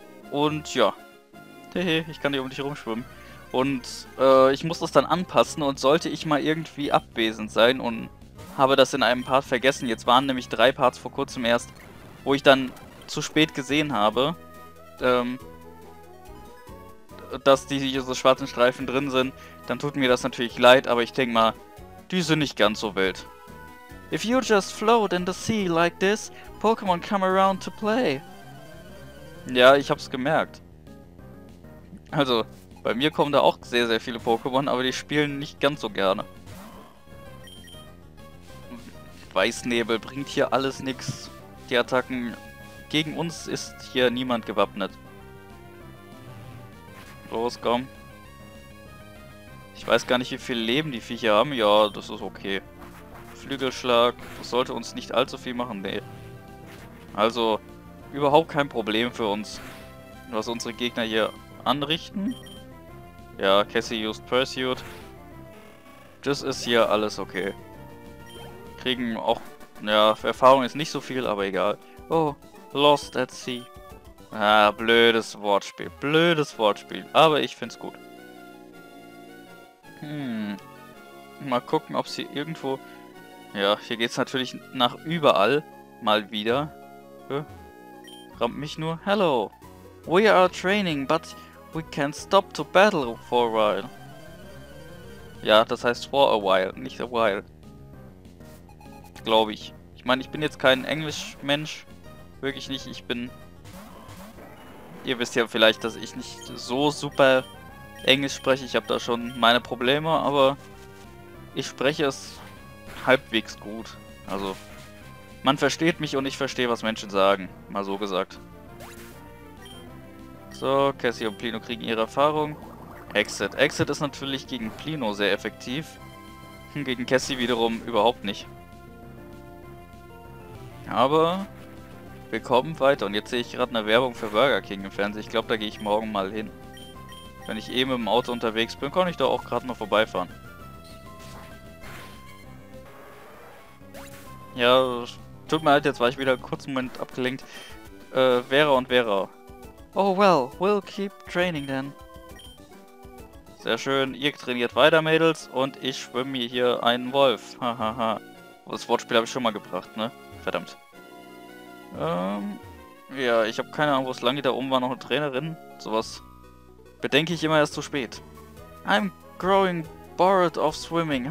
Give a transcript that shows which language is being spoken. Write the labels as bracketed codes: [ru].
[de] Und ja, hehe, ich kann hier um dich rumschwimmen. Und ich muss das dann anpassen und sollte ich mal irgendwie abwesend sein und habe das in einem Part vergessen. Jetzt waren nämlich drei Parts vor kurzem erst, wo ich dann zu spät gesehen habe, dass diese schwarzen Streifen drin sind. Dann tut mir das natürlich leid, aber ich denke mal, die sind nicht ganz so wild. [en] If you just float in the sea like this, Pokémon come around to play. [de] Ja, ich hab's gemerkt. Also, bei mir kommen da auch sehr, sehr viele Pokémon, aber die spielen nicht ganz so gerne. Weißnebel bringt hier alles nichts. Die Attacken gegen uns ist hier niemand gewappnet. Los, komm. Ich weiß gar nicht, wie viel Leben die Viecher haben. Ja, das ist okay. Flügelschlag, das sollte uns nicht allzu viel machen, nee. Also, überhaupt kein Problem für uns, was unsere Gegner hier anrichten. Ja, [en] Cassie used Pursuit. [de] Das ist hier alles okay. Kriegen auch, ja, Erfahrung ist nicht so viel, aber egal. [en] Oh, lost at sea. [de] Ah, blödes Wortspiel, blödes Wortspiel. Aber ich find's gut. Mal gucken, ob sie irgendwo... Ja, hier geht's natürlich nach überall. Mal wieder. Rammt mich nur. Hello. [en] We are training, but we can't stop to battle for a while. [de] Ja, das heißt [en] for a while, [de] nicht [en] a while. [de] Glaube ich. Ich meine, ich bin jetzt kein Englischmensch. Wirklich nicht. Ich bin... Ihr wisst ja vielleicht, dass ich nicht so super Englisch spreche. Ich habe da schon meine Probleme, aber ich spreche es halbwegs gut. Also, man versteht mich und ich verstehe, was Menschen sagen. Mal so gesagt. So, Cassie und Plino kriegen ihre Erfahrung. Exit. Exit ist natürlich gegen Plino sehr effektiv. Gegen Cassie wiederum überhaupt nicht. Aber wir kommen weiter. Und jetzt sehe ich gerade eine Werbung für Burger King im Fernsehen. Ich glaube, da gehe ich morgen mal hin. Wenn ich eben im Auto unterwegs bin, kann ich da auch gerade mal vorbeifahren. Ja, tut mir leid, jetzt war ich wieder einen kurzen Moment abgelenkt. Vera und Vera. [en] Oh well, we'll keep training then. [de] Sehr schön, ihr trainiert weiter, Mädels, und ich schwimme mir hier einen Wolf. Hahaha. Das Wortspiel habe ich schon mal gebracht, ne? Verdammt. Ja, ich habe keine Ahnung, wo es lang geht. Da oben war noch eine Trainerin. Sowas bedenke ich immer erst zu spät. [en] I'm growing bored of swimming.